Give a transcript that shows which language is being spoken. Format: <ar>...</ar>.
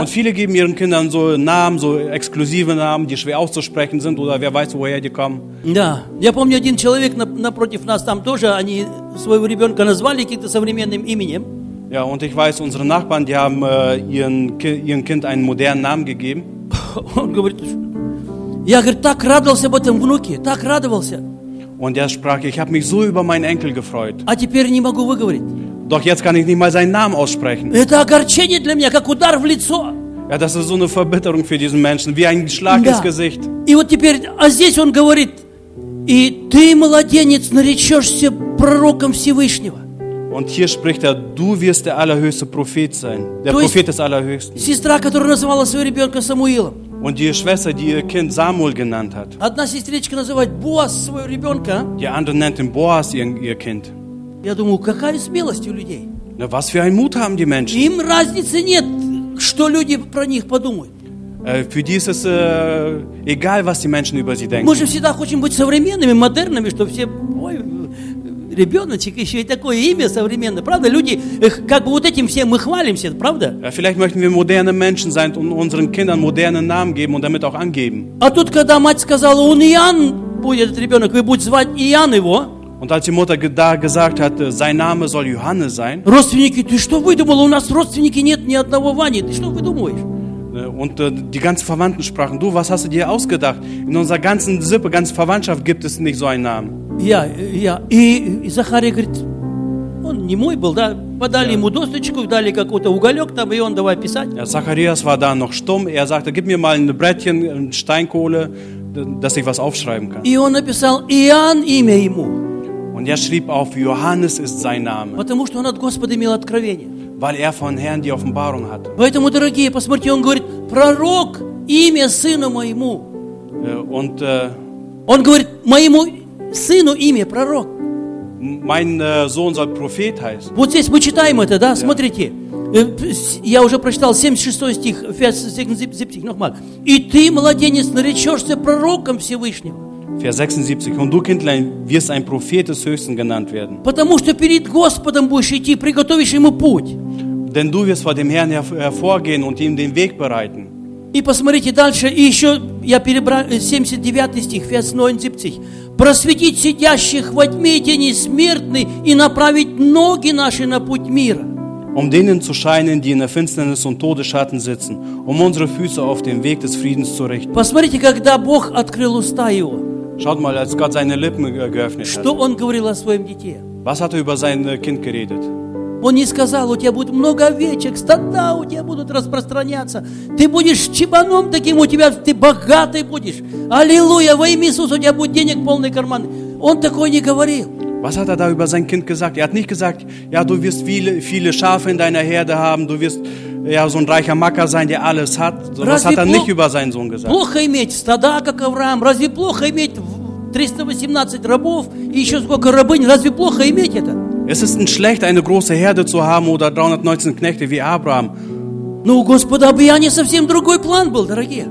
<de>Und viele geben ihren Kindern so Namen, so exklusive Namen, die schwer auszusprechen sind, oder wer weiß, woher die kommen.</de> <ru>Да, я помню, один человек напротив нас там тоже, они своего ребенка назвали каким-то современным именем.</ru> <de>Ja, und ich weiß, unsere Nachbarn, die haben ihren Kind einen modernen Namen gegeben.</de> <ru>Он говорит, я, говорит, так радовался об этом внуке, так радовался.</ru> <de>Und er sprach, ich habe mich so über meinen Enkel gefreut.</de> <ru>А теперь не могу выговорить.</ru> <de>Doch jetzt kann ich nicht mal seinen Namen aussprechen.</de> <ru>Это огорчение для меня, как удар в лицо.</ru> <de>Ja, das ist so eine Verbitterung für diesen Menschen, wie ein Schlag ins Gesicht.</de> <ru>И вот теперь, а здесь он говорит, и ты, младенец, наречешься пророком Всевышнего.</ru> <de>Und hier spricht er, du wirst der allerhöchste Prophet sein. Der</de> <ru>то</ru> <de>Prophet</de> <ru>есть,</ru> <de>des Allerhöchsten.</de> <ru>Сестра, которая называла своего ребенка Самуилом.</ru> <de>Und die Schwester, die ihr Kind Samuel genannt hat.</de> <ru>Одна сестричка называет Боас своего ребенка.</ru> <de>Die andere nennt ihn Boas, ihr Kind.</de> <ru>Я думаю, какая смелость у людей.</ru> <de>Na, was für einen Mut haben die Menschen.</de> <ru>Им разницы нет, что люди про них подумают.</ru> <de>Für die ist es egal, was die Menschen über sie denken.</de> <ru>Мы же всегда хотим быть современными, модерными, чтобы все... Ой, ребеночек, еще и такое имя современное, правда? Люди, как бы вот этим всем мы хвалимся, правда?</ru> <de>Ja, vielleicht möchten wir moderne Menschen sein und unseren Kindern modernen Namen geben und damit auch angeben.</de> <ru>А тут, когда мать сказала, он Иоанн будет этот ребенок, вы будете звать Иоанн его.</ru> <de>Und als die Mutter da gesagt hat, sein Name soll Johannes sein.</de> <ru>Родственники, ты что выдумал? У нас родственники нет ни одного Вани, ты что выдумываешь?</ru> <de>Und die ganzen Verwandten sprachen, du, was hast du dir ausgedacht? In unserer ganzen Sippe, ganzen Verwandtschaft gibt es nicht so einen Namen. Ja, ja.</de> <ru>Und Zacharia говорит, он не мой был, да? Подали ja. Ему досточку, дали какой-то уголек там, и он давай писать.</ru> <de>Ja, Zacharias war da noch stumm. Er sagte, gib mir mal ein Brettchen, ein Steinkohle, dass ich was aufschreiben kann.</de> <ru>И он написал Иоанн имя ему.</ru> <de>Und er schrieb auf, Johannes ist sein Name.</de> <ru>Потому что он от Господа имел откровение.</ru> <de>Weil er von Herrn die Offenbarung hat.</de> <ru>Поэтому, дорогие, посмотрите, он говорит, пророк, имя сына моему.</ru> <de>Und,</de> <ru>он говорит, моему сыну имя, пророк.</ru> <de>Mein Sohn soll Prophet heißen.</de> <ru>Вот здесь мы читаем это, да, смотрите. Я уже прочитал 76 стих,</ru> <de>Vers 76, nochmal.</de> <ru>И ты, младенец, наречешься пророком Всевышнего.</ru> <de>Vers 76. Und du, Kindlein, wirst ein Prophet des Höchsten genannt werden.</de> <ru>Потому что перед Господом будешь идти, приготовишь ему путь.</ru> <de>Denn du wirst vor dem Herrn hervorgehen und ihm den Weg bereiten.</de> <ru>И посмотрите дальше, и еще я перебрал 79 стих,</ru> <de>Vers 79.</de> <ru>Просветить сидящих во тьме тени смертны и направить ноги наши на путь мира.</ru> <de>Um denen zu scheinen, die in der Finsternis und Todesschatten sitzen, um unsere Füße auf den Weg des Friedens zu richten.</de> <ru>Посмотрите, когда Бог открыл уста его.</ru> <de>Schaut mal, als Gott seine Lippen geöffnet</de> <ru>что</ru> <de>hat.</de> <ru>Он говорил о своем дите?</ru> <de>Was hat er über sein Kind geredet?</de> <ru>Он не сказал, у тебя будет много овечек, стада у тебя будут распространяться. Ты будешь чебаном таким, у тебя ты богатый будешь. Аллилуйя, во имя Иисуса, у тебя будет денег полный карман. Он такое не говорил.</ru> <de>Was hat er da über sein Kind gesagt? Er hat nicht gesagt, ja, du wirst viele, viele Schafe in deiner Herde haben, du wirst ja, so ein reicher Macker sein, der alles hat. So, was hat er nicht über seinen Sohn gesagt?</de> <ru>Плохо иметь стада, как Авраам. Разве плохо иметь 318 рабов и еще сколько рабынь? Разве плохо иметь это?</ru> <de>Es ist nicht schlecht, eine große Herde zu haben oder 319 Knechte wie Abraham.</de> <ru>Но у Господа Бьяни совсем другой план был, дорогие.</ru>